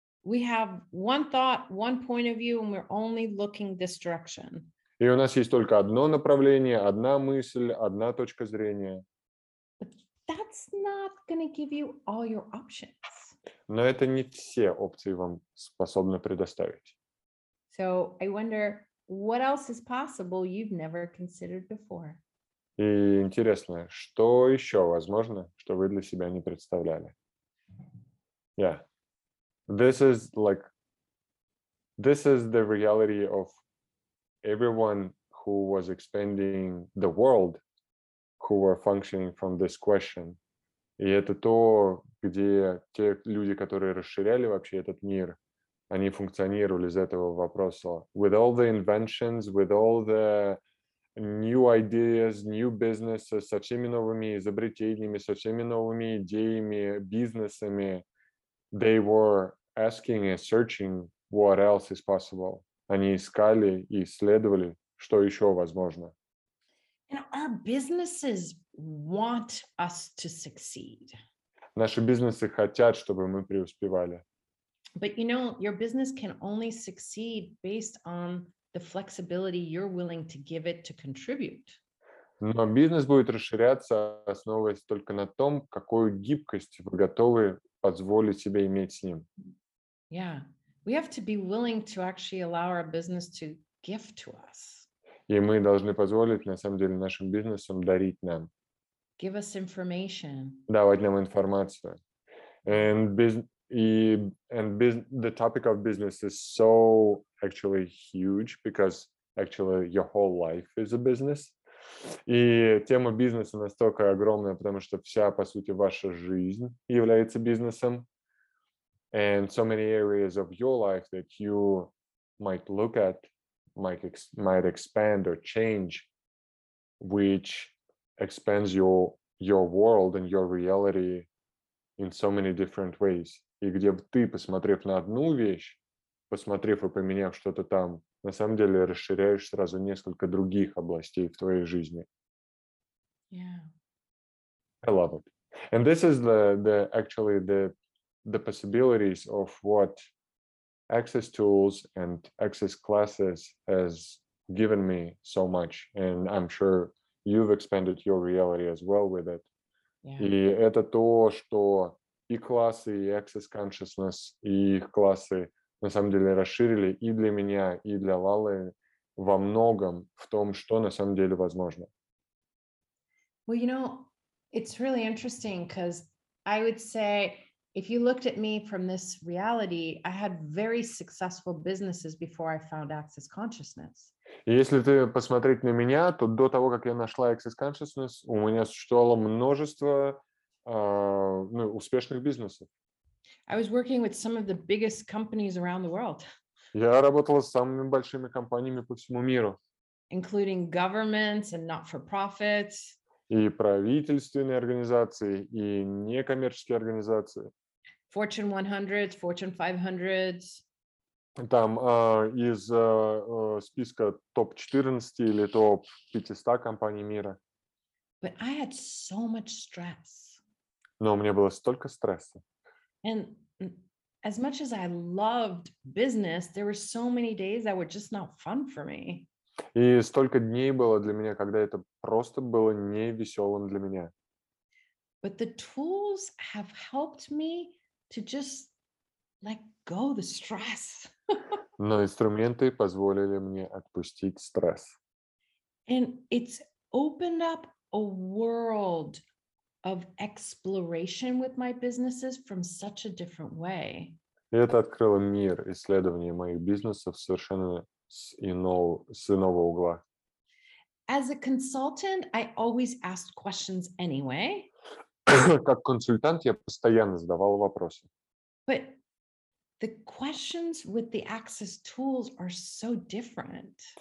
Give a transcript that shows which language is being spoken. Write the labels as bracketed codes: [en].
[en] We have one thought, one point of view, and we're only looking this direction. [ru] И у нас есть только одно направление, одна мысль, одна точка зрения. [en] That's not gonna give you all your options. [ru] Но это не все опции вам способны предоставить. [en] So I wonder what else is possible you've never considered before. [ru] И интересно, что еще возможно, что вы для себя не представляли? [en] Yeah. This is the reality of everyone who was expanding the world, who were functioning from this question. [ru] И это то, где те люди, которые расширяли вообще этот мир, они функционировали из этого вопроса. [en] With all the inventions, with all the new ideas, new businesses, [ru] со всеми новыми изобретениями, со всеми новыми идеями, бизнесами, [en] they were asking and searching what else is possible. [ru] Они искали и исследовали, что еще возможно. [en] And our businesses want us to succeed. [ru] Наши бизнесы хотят, чтобы мы преуспевали. [en] But you know, your business can only succeed based on the flexibility you're willing to give it to contribute. [ru] Но бизнес будет расширяться, основываясь только на том, какую гибкость вы готовы позволить себе иметь с ним. [en] Yeah, we have to be willing to actually allow our business to give to us. [ru] И мы должны позволить, на самом деле, нашим бизнесам дарить нам. [en] Give us information. [ru] Давать нам информацию. [en] The topic of business is so actually huge, because actually your whole life is a business. [ru] И тема бизнеса настолько огромная, потому что вся, по сути, ваша жизнь является бизнесом. [en] And so many areas of your life that you might look at might expand or change, which expands your world and your reality in so many different ways. [ru] И где бы ты, посмотрев на одну вещь, посмотрев и поменяв что-то там, на самом деле расширяешь сразу несколько других областей в твоей жизни. [en] Yeah. I love it. And this is the possibilities of what Access Tools and Access Classes has given me so much. And I'm sure you've expanded your reality as well with it. Yeah. [ru] И это то, что и классы, и Access Consciousness, и их классы на самом деле расширили и для меня, и для Лалы во многом в том, что на самом деле возможно. [en] Well, you know, it's really interesting because I would say, if you looked at me from this reality, I had very successful businesses before I found Access Consciousness. [ru] Если ты посмотреть на меня, то до того, как я нашла Access Consciousness, у меня существовало множество успешных бизнесов. [en] I was working with some of the biggest companies around the world. [ru] Я работала с самыми большими компаниями по всему миру. [en] Including governments and not-for-profits. [ru] И правительственные организации, и некоммерческие организации. [en] Fortune 100, Fortune 500. [ru] Там списка топ-14 или топ-500 компаний мира. [en] But I had so much stress. [ru] Но у меня было столько стресса. [en] And as much as I loved business, there were so many days that were just not fun for me. [ru] И столько дней было для меня, когда это просто было не веселым для меня. [en] But the tools have helped me to just let go the stress. [ru] Но инструменты позволили мне отпустить стресс. [en] And it's opened up a world of exploration with my businesses from such a different way. [ru] Это открыло мир исследования моих бизнесов совершенно с иного угла. [en] As a consultant, I always asked questions anyway. [ru] Как консультант я постоянно задавал вопросы. [en] But the questions with the Access tools are so different.